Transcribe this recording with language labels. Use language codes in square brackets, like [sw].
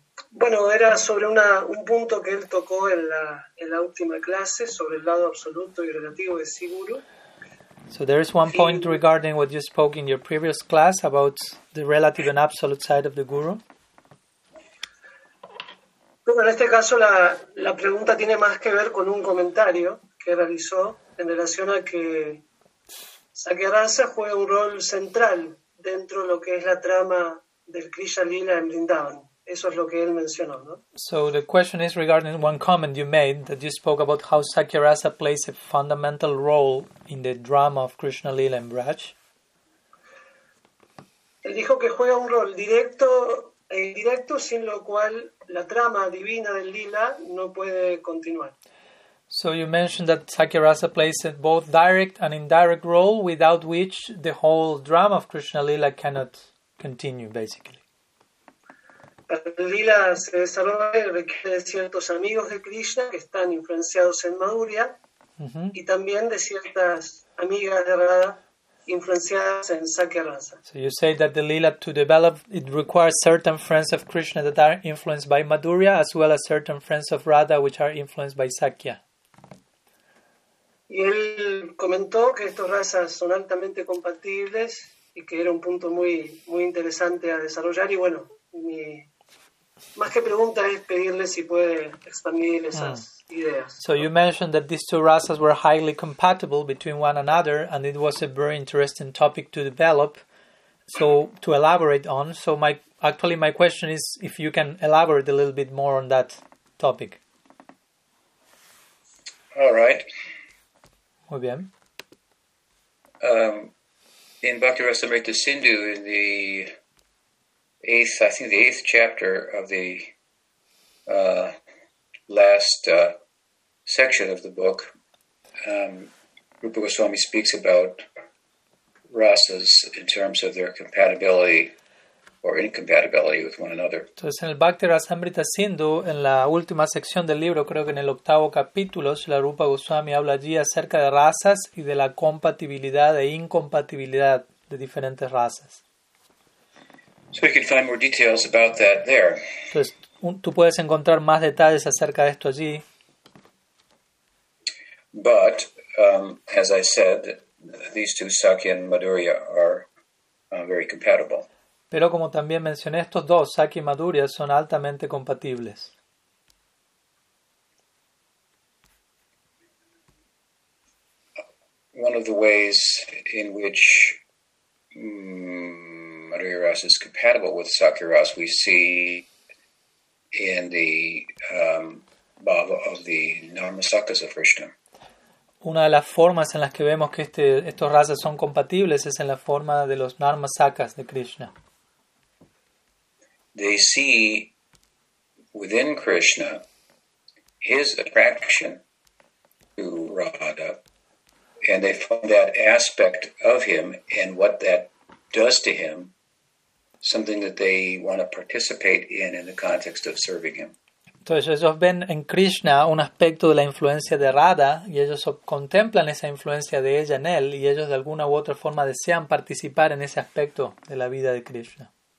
[es] Bueno, era sobre un punto que él tocó en la última clase, sobre el lado absoluto y relativo de Siguru. [en] So there is one point regarding what you spoke in your previous class about the relative and absolute side of the Guru. [es] Bueno, en este caso la pregunta tiene más que ver con un comentario que realizó en relación a que Sakyarasa juega un rol central dentro de lo que es la trama del Krishna Lila en Vrindavan. Eso es lo que él mencionó, ¿no? [en] So the question is regarding one comment you made, that you spoke about how Sakyarasa plays a fundamental role in the drama of Krishna Lila en Braj. [es] Él dijo que juega un rol directo e indirecto, sin lo cual la trama divina del lila no puede continuar. [en] So you mentioned that Sakyarasa plays a both direct and indirect role, without which the whole drama of Krishna lila cannot continue, basically. [es] Para el lila se desarrolla requiere ciertos amigos de Krishna que están influenciados en Madhurya, y también de ciertas amigas de Radha. [en] So you say that the lila to develop, it requires certain friends of Krishna that are influenced by Madhurya, as well as certain friends of Radha which are influenced by Sakya. [es] Y él comentó que estas razas son altamente compatibles y que era un punto muy, muy interesante a desarrollar. Y bueno, más que pregunta es pedirle si puede expandir esas. [en] So you mentioned that these two rasas were highly compatible between one another, and it was a very interesting topic to develop, so to elaborate on. So my question is if you can elaborate a little bit more on that topic. All right. [es] Muy bien. [en] In Bhakti Rasamrita Sindhu, in the eighth chapter of the last section of the book, Rupa Goswami speaks about rasas in terms of their compatibility or incompatibility with one another. [es] Entonces, en el Bhakti Rasamrita Sindhu, en la última sección del libro, creo que en el octavo capítulo, la Rupa Goswami habla allí acerca de razas y de la compatibilidad e incompatibilidad de diferentes razas. [en] So you can find more details about that there. [es] Entonces, tú puedes encontrar más detalles acerca de esto allí. [en] But, as I said, these two, Sakya and Madhurya, are very compatible. [es] Pero como también mencioné, estos dos, Sakya y Madhurya, son altamente compatibles. [en] One of the ways in which Madhurya Ras is compatible with Sakya Ras, we see in the bhava of the Narmasakas of Krishna. [es] Una de las formas en las que vemos que estos rasas son compatibles es en la forma de los Narmasakas de Krishna. [en] They see within Krishna his attraction to Radha, and they find that aspect of him and what that does to him something that they want to participate in the context of serving him. [es] Entonces ellos ven en Krishna un aspecto de la influencia de Radha y ellos contemplan esa influencia de ella en él y ellos de alguna u otra forma desean participar en ese aspecto de la vida de Krishna.